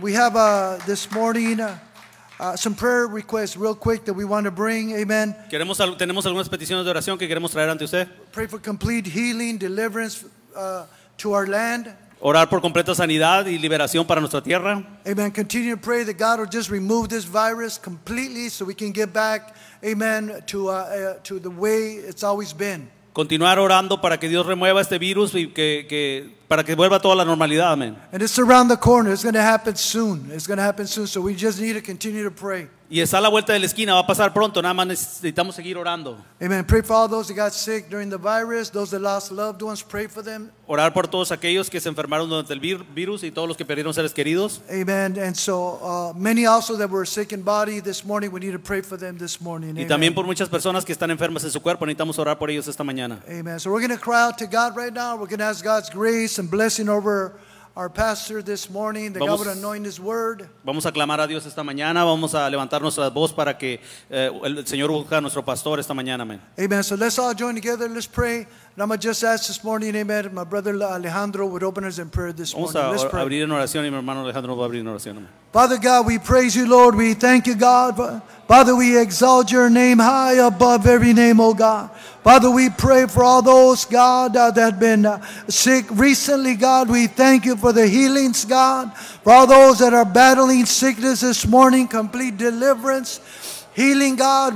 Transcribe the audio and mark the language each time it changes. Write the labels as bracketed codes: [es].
[en] We have this morning some prayer requests real quick that we want to bring. Amen. [es] Queremos, tenemos algunas peticiones de oración que queremos traer ante usted. [en] Pray for complete healing, deliverance to our land. [es] Orar por completa sanidad y liberación para nuestra tierra. [en] Amen. Continue to pray that God will just remove this virus completely so we can get back, amen, to the way it's always been. [es] Continuar orando para que Dios remueva este virus y que para que vuelva toda la normalidad. [en] Amen. And it's around the corner. It's going to happen soon. It's going to happen soon. So we just need to continue to pray. [es] Y está a la vuelta de la esquina. Va a pasar pronto. Nada más necesitamos seguir orando. [en] Amen. Pray for all those that got sick during the virus. Those that lost loved ones. Pray for them. [es] Orar por todos aquellos que se enfermaron durante el virus y todos los que perdieron seres queridos. [en] Amen. And so many also that were sick in body this morning. We need to pray for them this morning. [es] Y también por muchas personas que están enfermas en su cuerpo. Necesitamos orar por ellos esta mañana. [en] Amen. So we're going to cry out to God right now. We're going to ask God's grace and blessing over our pastor this morning, that God would anoint His word. [es] Vamos a clamar a Dios esta mañana. Vamos a levantar nuestra voz para que el Señor busque a nuestro pastor esta mañana. [en] Amen. Amen. So let's all join together. Let's pray. And I'm going to just ask this morning, amen, my brother Alejandro would open us in prayer this [es] vamos [en] morning. [es] Vamos a pray. Abrir en oración y mi hermano Alejandro va a abrir en oración. Amen. [en] Father God, we praise you, Lord. We thank you, God. Father, we exalt your name high above every name, oh God. Father, we pray for all those, God, that have been sick recently, God. We thank you for the healings, God. For all those that are battling sickness this morning, complete deliverance, healing, God.